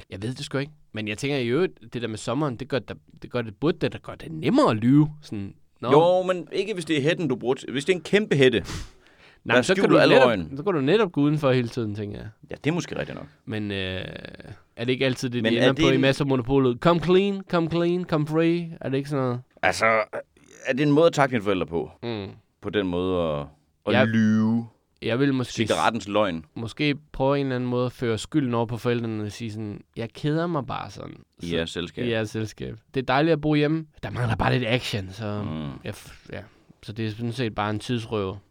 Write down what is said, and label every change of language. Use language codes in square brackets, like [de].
[da] Jeg ved det sgu ikke, men jeg tænker i øvrigt, det der med sommeren, det gør det nemmere at lyve. Sådan, [en] no. [da] Jo, men ikke hvis det er hætten, du bruger. Hvis det er en kæmpe hætte, nej, så kan du alle øjne. Så kan du netop gå udenfor hele tiden, tænker jeg. Ja, det er måske rigtigt nok. Men er det ikke altid det, de ender på i masser af monopolet? [en] Come clean, come clean, come free. [da] Er det ikke sådan noget? Altså, er det en måde at takke mine forældre på? Mm. På den måde at lyve. Jeg vil måske cigarettens løgn. Måske prøve en eller anden måde at føre skylden over på forældrene og sige sådan, jeg keder mig bare sådan. I jeres selskab. I jeres selskab. Det er dejligt at bo hjemme. Der mangler bare lidt action, så så det er sådan set bare en tidsrøve.